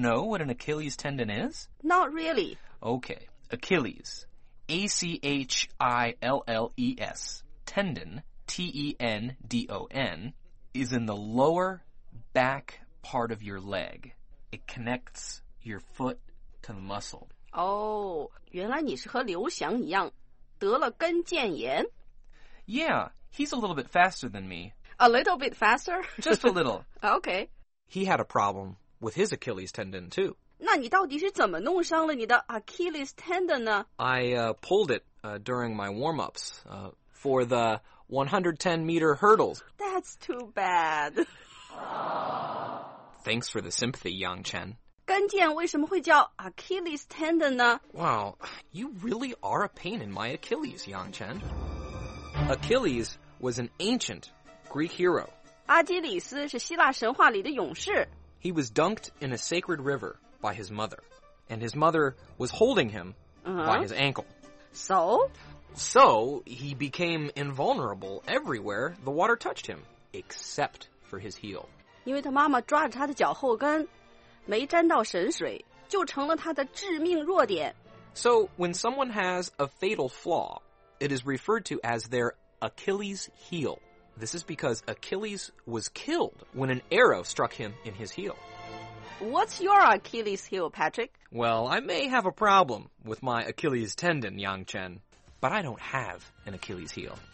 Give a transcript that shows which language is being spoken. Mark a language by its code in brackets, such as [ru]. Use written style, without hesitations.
[en] know what an Achilles tendon is? Not really. Okay, Achilles. A-C-H-I-L-L-E-S. Tendon, T-E-N-D-O-N, is in the lower back part of your leg. It connects your foot to the muscle. [zh] Oh, 原来你是和刘翔一样得了跟腱炎。 [en] Yeah, he's a little bit faster than me. A little bit faster? Just a little. Okay. He had a problem with his Achilles tendon, too. [zh] 那你到底是怎么弄伤了你的 Achilles tendon 呢? [en] I pulled it during my warm-ups for the 110-meter hurdles. That's too bad. Thanks for the sympathy, Yang Chen. [zh] 跟腱为什么会叫 Achilles tendon 呢? [en] Wow, you really are a pain in my Achilles, Yang Chen. Achilles was an ancient Greek hero. [zh] 阿基里斯是希腊神话里的勇士。 [en] He was dunked in a sacred river by his mother, and his mother was holding him、 uh-huh. by his ankle. So? So, he became invulnerable everywhere the water touched him, except for his heel. [zh] 因为他妈妈抓着他的脚后跟，没沾到神水，就成了他的致命弱点。 [en] So, when someone has a fatal flaw, it is referred to as their Achilles heel. This is because Achilles was killed when an arrow struck him in his heel. What's your Achilles heel, Patrick? Well, I may have a problem with my Achilles tendon, Yang Chen, but I don't have an Achilles heel.